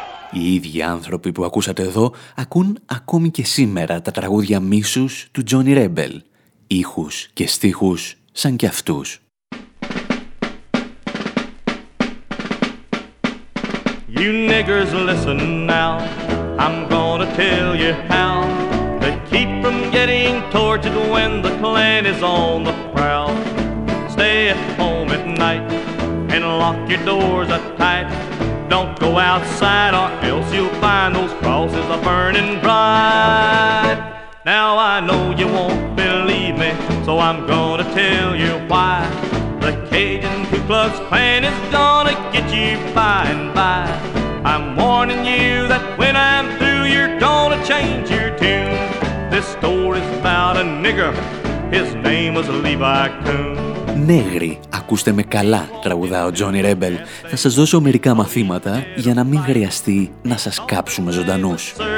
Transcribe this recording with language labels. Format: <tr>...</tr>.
<el>Οι ίδιοι άνθρωποι που ακούσατε εδώ ακούν ακόμη και σήμερα τα τραγούδια μίσους του Johnny Rebel. Ήχους και στίχους σαν κι αυτούς.</el> <en>You niggers listen now, I'm gonna tell you how to keep from getting tortured when the Klan is on the prowl. Stay at home at night and lock your doors up tight. Don't go outside or else you'll find those crosses a-burning bright. Now I know you won't believe me, so I'm gonna tell you why. The Cajun Ku Klux Klan is gonna get you by and by. I'm warning you that when I'm through, you're gonna change your tune. This story's about a nigger, his name was Levi Coon.</en> <el>Νέγροι, ακούστε με καλά, τραγουδά ο Johnny Rebel. Θα σας δώσω μερικά μαθήματα για να μην χρειαστεί να σας κάψουμε ζωντανούς.</el>